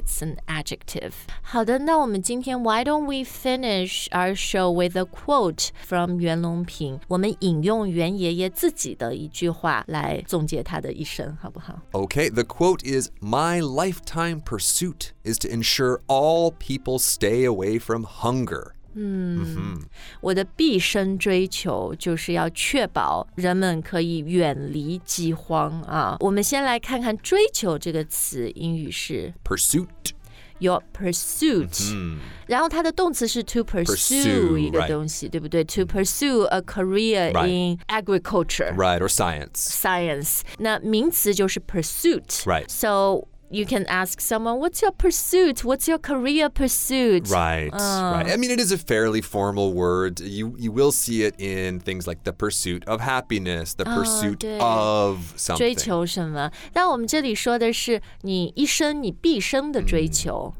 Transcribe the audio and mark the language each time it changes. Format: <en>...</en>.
<en>it's an adjective.</en> <zh>好的，那我们今天</zh> <en>why don't we finish our show with a quote from</en> <zh>袁隆平，我们引用袁爷爷自己的一句话来总结他的一生，好不好</zh> <en>?Okay, the quote is, my lifetime pursuit is to ensure all people stay away from hunger.</en> <zh>我的毕生追求就是要确保人们可以远离饥荒啊。我们先来看看追求这个词英语是</zh> <en>Pursuit. Your pursuit.、</en> <zh>然后它的动词是 to pursue 一个东西、</zh> <en>right.</en> <zh>对不对</zh> <en>To pursue a career、 right. in agriculture. Right, or science.</en> <zh>Science. 那名词就是 pursuit.</zh> <en>Right. So,You can ask someone, what's your pursuit? What's your career pursuit? Right, right. I mean, it is a fairly formal word. You will see it in things like the pursuit of happiness, the pursuit of something.</en> <zh>追求什么。但我们这里说的是你一生你毕生的追求。</zh>